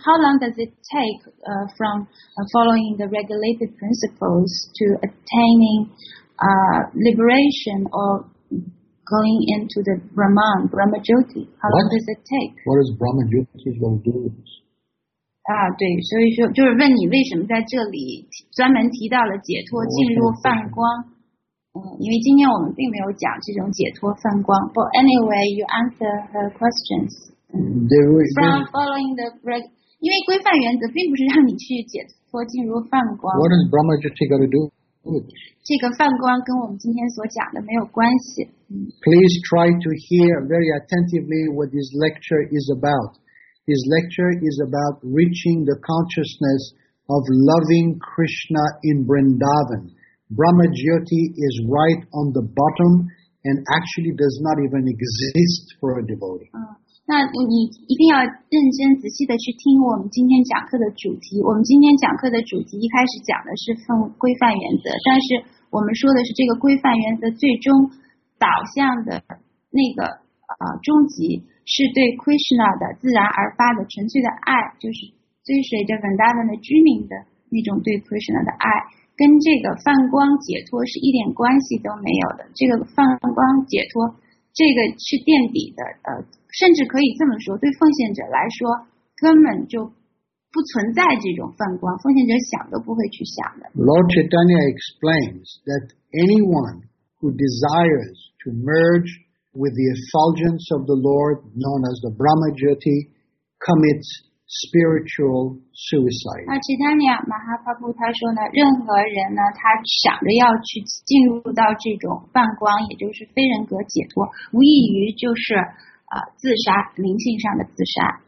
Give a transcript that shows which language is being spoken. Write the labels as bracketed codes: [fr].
[en] How long does it take from following the regulated principles to attaining liberation or going into the Brahman, Brahmajyoti? How long does it take? What is Brahmajyoti going to do with this? [zh] 对，所以说就是问你为什么在这里专门提到了解脱进入梵光。因为今天我们并没有讲这种解脱梵光。 [en] But anyway, you answer her questions. From following the [zh] 因为规范原则并不是让你去解脱进入梵光。 [en] What is Brahmajyoti going to do? [zh] 这个梵光跟我们今天所讲的没有关系。 [en] Please try to hear very attentively what this lecture is about. This lecture is about reaching the consciousness of loving Krishna in Vrindavan. Brahmajyoti is right on the bottom and actually does not even exist for a devotee. [zh] 那你一定要认真仔细的去听我们今天讲课的主题。我们今天讲课的主题一开始讲的是规范原则，但是我们说的是这个规范原则最终导向的那个终极是对 Krishna 的自然而发的纯粹的爱，就是追随着 Vrindavan 的居民的那种对 Krishna 的爱，跟这个梵光解脱是一点关系都没有的。这个梵光解脱这个是垫底的，甚至可以这么说，对奉献者来说根本就不存在这种放光，奉献者想都不会去想的。 [en] Lord Chaitanya explains that anyone who desires to merge with the effulgence of the Lord known as the Brahma Jyoti commits spiritual suicide. [zh] 那 Chaitanya Mahaprabhu 他说呢，任何人呢，他想着要去进入到这种放光，也就是非人格解脱，无异于就是自杀，灵性上的自杀。